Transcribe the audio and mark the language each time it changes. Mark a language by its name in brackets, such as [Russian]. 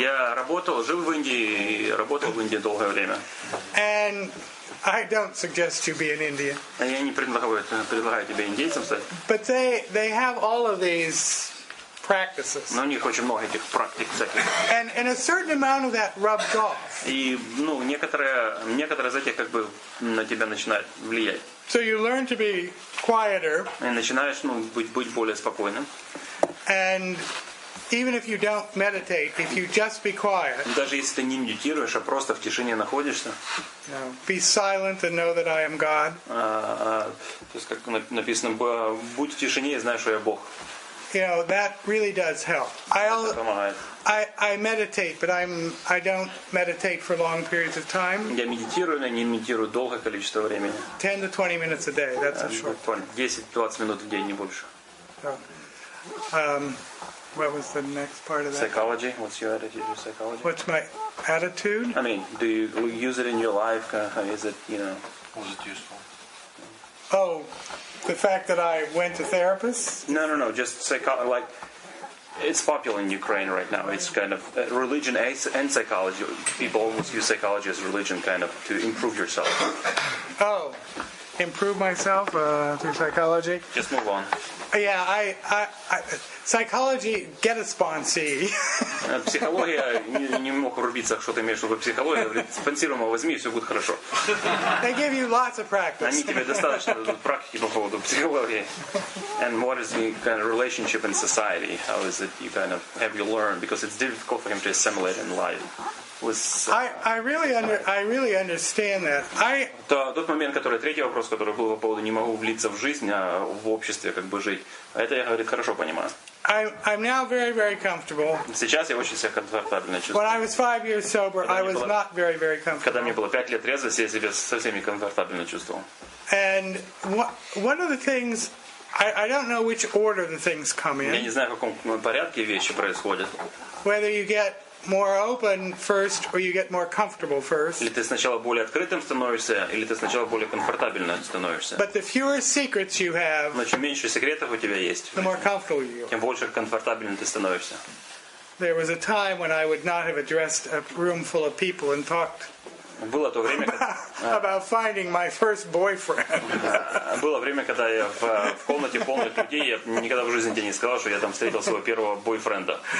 [Russian] Я работал, жил в Индии, работал в Индии долгое время. [English] And I don't suggest you be an Indian. [Russian] Я не предлагаю тебе индейцем стать. [English] But they have all of these. Practices. [Russian] Но у них очень много этих практик всяких. [English] And a certain amount of that rubbed off. [Russian] И ну некоторые из этих как бы на тебя начинают влиять. [English] So you learn to be quieter. [Russian] И начинаешь ну быть более спокойным. [English] And even if you don't meditate, if you just be quiet. [Russian] Даже если ты не медитируешь, а просто в тишине находишься. [English] Be silent and know that I am God. [Russian] То есть как написано, будь в тишине и знай, что я Бог. [English] You know, that really does help. I meditate, but I don't meditate for long periods of time. [Russian] Я медитирую, но не медитирую долгое количество времени. [English] 10-20 minutes a day, that's a short. [Russian] 10-20 минут в день, не больше. [English] What was the next part of that? Psychology. What's your attitude to psychology? What's my attitude? I mean, do you use it in your life? Is it, you know... Was it useful? Oh... The fact that I went to therapists? No. Just psychology. Like, it's popular in Ukraine right now. It's kind of religion and psychology. People always use psychology as religion, kind of, to improve yourself. Oh, improve myself through psychology? Just move on. Yeah, I psychology, get a sponsee. [Russian] Психология, не мог врубиться, что ты имеешь в виду психология, говорит, спонсируемо возьми, и все будет хорошо. [English] They give you lots of practice. [Russian] Они тебе достаточно дадут практики по поводу психологии. [English] And what is the kind of relationship in society? How is it you kind of, have you learned? Because it's difficult for him to assimilate in life. I really understand that. [Russian] Тот момент, который третий вопрос, который был по поводу не могу влиться в жизнь, а в обществе как бы жить. Это я, говорит, хорошо понимаю. [English] I'm now very very comfortable. [Russian] Сейчас я очень себя комфортабельно чувствую. [English] When I was 5 years sober, I was not very very comfortable. [Russian] Когда мне было 5 лет трезвости, я себя совсем не комфортабельно чувствовал. [English] And one of the things, I don't know which order the things come in. [Russian] Я не знаю, в каком порядке вещи происходят. [English] Whether you get more open first, or you get more comfortable first. [Russian] Или ты сначала более открытым становишься, или ты сначала более комфортабельно становишься. [English] But the fewer secrets you have, [Russian] но чем меньше секретов у тебя есть, [English] the more comfortable you are. [Russian] Тем больше комфортабельно ты становишься. [English] There was a time when I would not have addressed a room full of people and talked. [Russian] Было то время, [English] about finding my first boyfriend. [Russian] Было время, когда я в комнате полной людей, я никогда в жизни тебе не сказал, что я там встретил своего первого бойфренда.